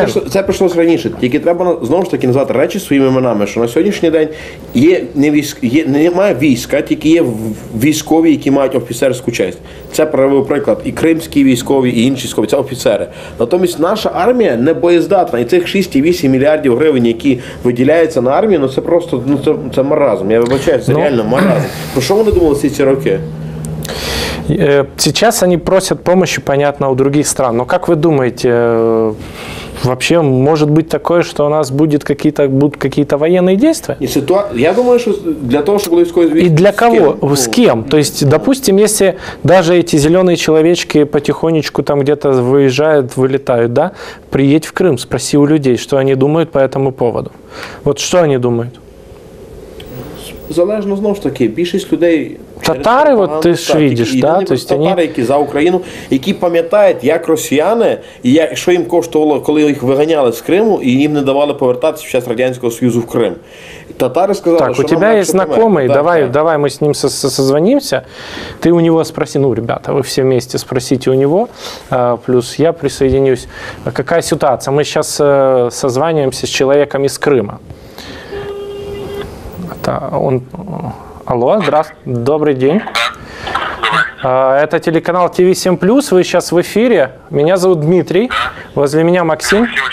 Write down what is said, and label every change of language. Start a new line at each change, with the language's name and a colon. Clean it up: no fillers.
Ukrainian: Це пройшлося раніше, тільки треба знову ж таки назвати речі своїми іменами, що на сьогоднішній день є не військ, є, немає війська, тільки є військові, які мають офіцерську честь. Це правий приклад, і кримські військові, і інші військові, це офіцери. Натомість наша армія не боєздатна, і цих 6-8 мільярдів гривень, які виділяються на армію, ну це просто, ну це маразм, я вибачаю, це реально маразм. Про що вони думали всі ці роки?
Russian: Сейчас они просят помощи, понятно, у других стран. Но как вы думаете, вообще может быть такое, что у нас будет какие-то, будут какие-то военные действия? Я думаю, что для того, чтобы войско... И для кого? С кем? То есть, допустим, если даже эти зеленые человечки потихонечку там где-то выезжают, вылетают, да? Приедь в Крым, спроси у людей, что они думают по этому поводу. Вот что они думают?
Ukrainian: Залежно, знову ж таки, більшість людей... Татари, от ти ж видиш, так? Да? Тобто татари, вони... які за Україну, які пам'ятають, як росіяни, як, що їм коштувало, коли їх виганяли з Криму, і їм не давали повертатися в час Радянського Союзу в Крим. Татари сказали, так, що... Так, у тебе є знайомий, давай, давай ми з ним созвонимся, ти у нього спроси, ну,
Russian: ребята,
Ukrainian: ви всі вместе спросите у нього, плюс я присоединюсь. Яка ситуація? Ми зараз созвонюємося з чоловіком із Криму.
Russian: Он... Алло, здравствуйте, добрый день. Это телеканал ТВ 7+, вы сейчас в эфире. Меня зовут Дмитрий, возле меня Максим.